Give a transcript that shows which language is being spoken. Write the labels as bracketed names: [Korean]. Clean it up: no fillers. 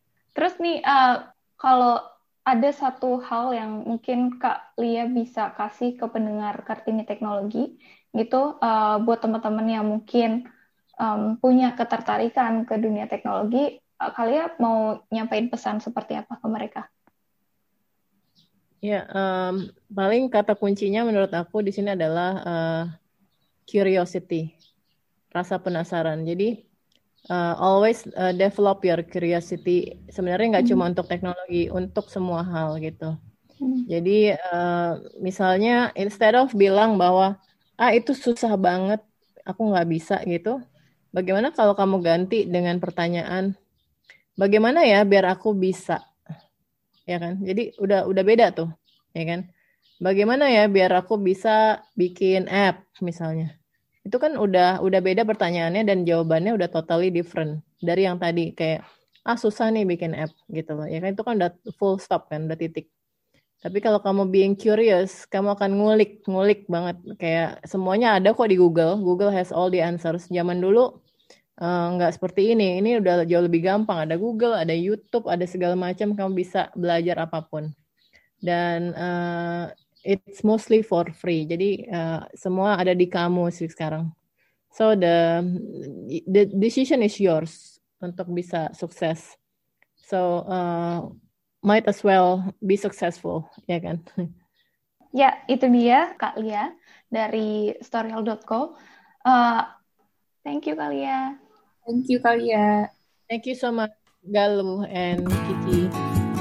[Indonesian] Terus nih, kalau ada satu hal yang mungkin Kak Lia bisa kasih ke pendengar Kartini Teknologi gitu, buat teman-teman yang mungkin punya ketertarikan ke dunia teknologi, Kak Lia mau nyampaikan pesan seperti apa ke mereka? Ya, paling kata kuncinya menurut aku di sini adalah curiosity, rasa penasaran. [English] Jadi always develop your curiosity. [Indonesian] Sebenarnya nggak cuma untuk teknologi, untuk semua hal gitu. Jadi misalnya [English] instead of [Indonesian] bilang bahwa ah itu susah banget, aku nggak bisa gitu. Bagaimana kalau kamu ganti dengan pertanyaan, bagaimana ya biar aku bisa? Ya kan? Jadi udah beda tuh. Ya kan? Bagaimana ya biar aku bisa bikin app misalnya? Itu kan udah beda pertanyaannya, dan jawabannya udah [English] totally different [Indonesian] dari yang tadi kayak ah susah nih bikin app gitu loh. Ya kan, itu kan udah full stop kan, udah titik. Tapi kalau kamu [English] being curious, [Indonesian] kamu akan ngulik-ngulik banget, kayak semuanya ada kok di Google. [English] Google has all the answers. [Indonesian] Zaman dulu nggak seperti ini. Ini udah jauh lebih gampang, ada Google, ada YouTube, ada segala macam, kamu bisa belajar apapun. [English] Dan it's mostly for free. [Indonesian] Jadi semua ada di kamu sih sekarang. [English] So the decision is yours [Indonesian] untuk bisa sukses. [English] So might as well be successful, [Indonesian] ya kan? Ya, itu dia Kak Lia dari storyhall.co. [English] Thank you Kak Lia. Thank you Kak Lia. Thank you so much Galuh and Kiki.